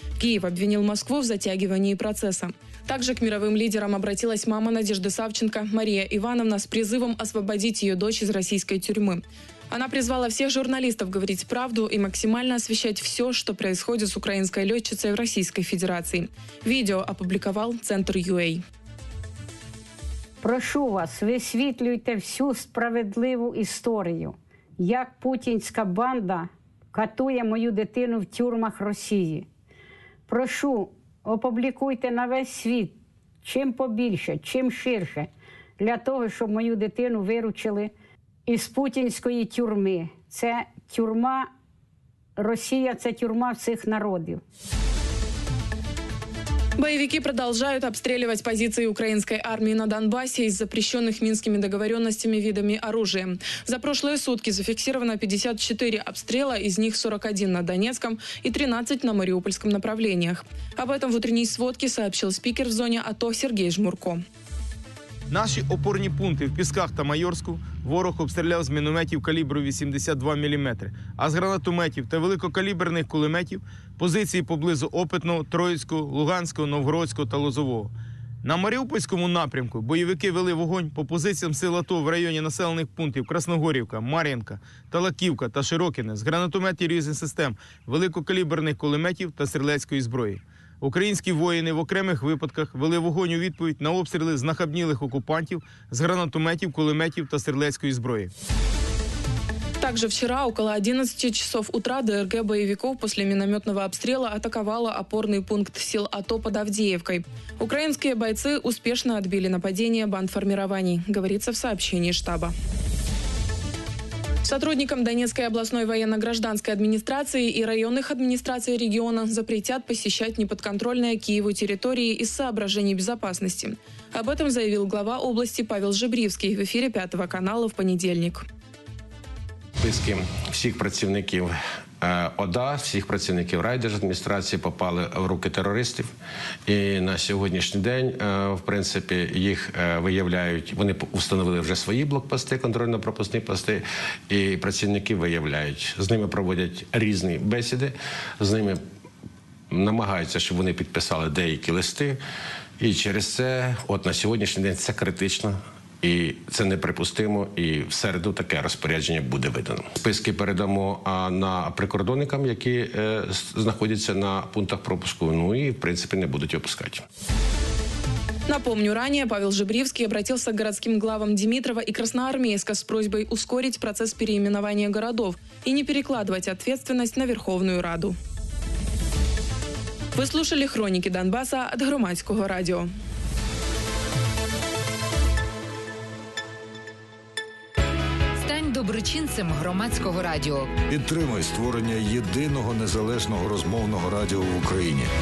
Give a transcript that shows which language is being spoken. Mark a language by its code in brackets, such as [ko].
[ru] Киев обвинил Москву в затягивании процесса. Также к мировым лидерам обратилась мама Надежды Савченко Мария Ивановна с призывом освободить ее дочь из российской тюрьмы. Она призвала всех журналистов говорить правду и максимально освещать все, что происходит с украинской летчицей в Российской Федерации. Видео опубликовал Центр UA. [uk] Прошу вас, висвітлюйте всю справедливу историю, як путінська банда катує мою дитину в тюрмах Росії. Прошу, опублікуйте на весь світ, чим побільше, чим ширше, для того, щоб мою дитину виручили із путінської тюрми. Це тюрма, Росія – це тюрма всіх народів. [ru] Боевики продолжают обстреливать позиции украинской армии на Донбассе из запрещенных Минскими договоренностями видами оружия. За прошлые сутки зафиксировано 54 обстрела, из них 41 на Донецком и 13 на Мариупольском направлениях. Об этом в утренней сводке сообщил спикер в зоне АТО Сергей Жмурко. [uk] Наші опорні пункти в Пісках та Майорську ворог обстріляв з мінометів калібру 82 мм, а з гранатометів та великокаліберних кулеметів – позиції поблизу Опитного, Троїцького, Луганського, Новгородського та Лозового. На Маріупольському напрямку бойовики вели вогонь по позиціям сил АТО в районі населених пунктів Красногорівка, Мар'їнка, Талаківка та Широкине з гранатометів різних систем, великокаліберних кулеметів та стрілецької зброї. Українські воїни в окремих випадках вели вогонь у відповідь на обстріли з нахабнілих окупантів з гранатометів, кулеметів та стрілецької зброї. [ru] Также вчера около 11 часов утра ДРГ боевиков после минометного обстрела атаковала опорный пункт сил АТО под Авдеевкой. Украинские бойцы успешно отбили нападение бандформирований, говорится в сообщении штаба. Сотрудникам Донецкой областной военно-гражданской администрации и районных администраций региона запретят посещать неподконтрольные Киеву территории из соображений безопасности. Об этом заявил глава области Павел Жебрівський в эфире 5 канала в понедельник. [uk] Списки всіх працівників ОДА, всіх працівників райдержадміністрації попали в руки терористів. І на сьогоднішній день, в принципі, їх виявляють. Вони встановили вже свої блокпости, контрольно-пропускні пости, і працівники виявляють. З ними проводять різні бесіди, з ними намагаються, щоб вони підписали деякі листи. І через це, от на сьогоднішній день, це критично. І це неприпустимо, і в середу таке розпорядження буде видано. Списки передамо на прикордонникам, які знаходяться на пунктах пропуску, ну і, в принципі, не будуть опускати. [ru] Напомню, ранее Павел Жебрівський обратился к городским главам Димитрова и Красноармейска с просьбой ускорить процесс переименования городов и не перекладывать ответственность на Верховную Раду. [uk] Ви слушали хроніки Донбаса від громадського радіо. [ru] Добрый [uk] злочинцем громадського радіо. Підтримуй створення єдиного незалежного розмовного радіо в Україні.